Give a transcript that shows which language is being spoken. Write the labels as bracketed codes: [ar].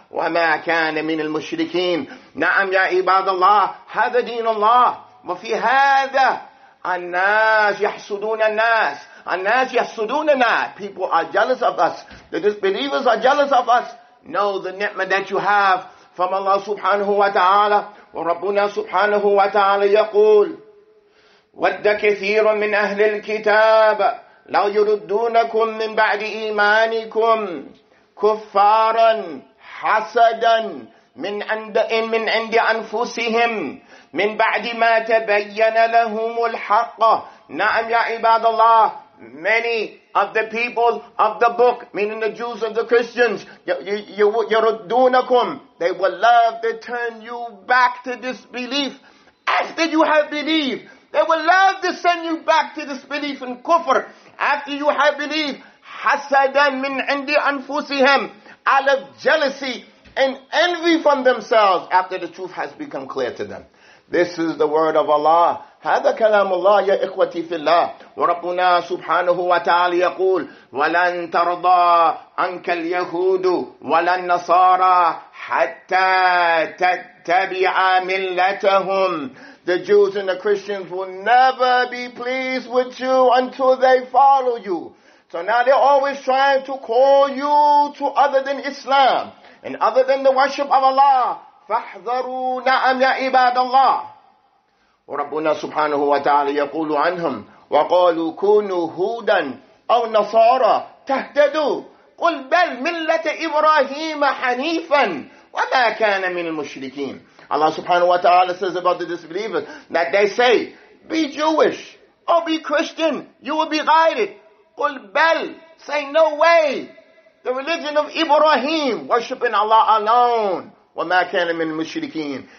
[ar] وَمَا كَانَ مِنَ الْمُشْرِكِينَ. نَعَمْ يَا عِبَادَ اللَّهِ هَذَا دِينُ اللَّهِ وَفِي هَذَا النَّاسِ يَحْسُدُونَ النَّاسِ. الناس يحسدون الناس. [en] People are jealous of us. The disbelievers are jealous of us. Know the ni'mah that you have from Allah subhanahu wa ta'ala. [ar] وربنا سبحانه وتعالى يقول ود كثير من أهل الكتاب لو يردونكم من بعد إيمانكم كفارا حسدا من عند أنفسهم من بعد ما تبين لهم الحق. نعم يا عباد الله, [en] many of the people of the book, meaning the Jews and the Christians, [ar] يردونكم, [en] they will love to turn you back to disbelief after you have believed. They will love to send you back to disbelief and kufr after you have believed. [ar] حسداً من عند أنفسهم, [en] out of jealousy and envy from themselves after the truth has become clear to them. This is the word of Allah. [ar] هذا كلام الله يا إخوتي في الله. وربنا سبحانه وتعالى يقول ولن ترضى عنك اليهود ولا النصارى حتى تتبع ملتهم. [en] The Jews and the Christians will never be pleased with you until they follow you. So now they're always trying to call you to other than Islam and other than the worship of Allah. [ar] فاحذروا. نعم يا عباد الله. وربنا سبحانه وتعالى يقول عنهم وقالوا كونوا هودا أو نصارى تهتدوا قل بل ملة إبراهيم حنيفا وما كان من المشركين. [en] Allah subhanahu wa ta'ala says about the disbelievers that they say be Jewish or be Christian, you will be guided. [ar] قل بل, [en] say no way, the religion of Ibrahim, worshiping Allah alone. [ar] وَمَا كَانَ مِنْ الْمُشْرِكِينَ.